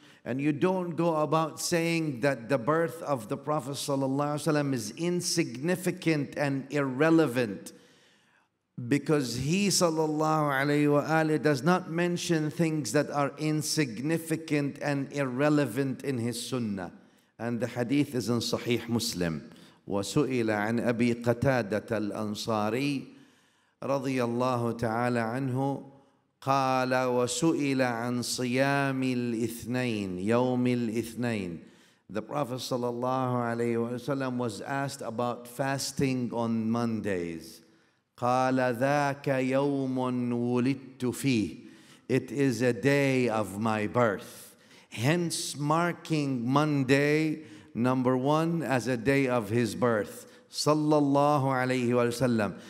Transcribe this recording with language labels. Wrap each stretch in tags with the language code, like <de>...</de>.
<en>And you don't go about saying that the birth of the Prophet sallallahu alaihi wasallam is insignificant and irrelevant, because he sallallahu alaihi wasallam does not mention things that are insignificant and irrelevant in his sunnah. And the hadith is in Sahih Muslim.</en> <ar>وَسُئِلَ عَنْ أَبِي قَتَادَةَ الْأَنصَارِي رَضِيَ اللَّهُ تَعَالَى عَنْهُ قال وسئل عن صيام الاثنين يوم الاثنين.</ar> <en>The Prophet sallallahu alayhi wa sallam was asked about fasting on Mondays.</en> <ar>قال ذاك يوم ولدت فيه.</ar> <en>It is a day of my birth. Hence marking Monday, number one, as a day of his birth sallallahu alayhi wa sallam.</en>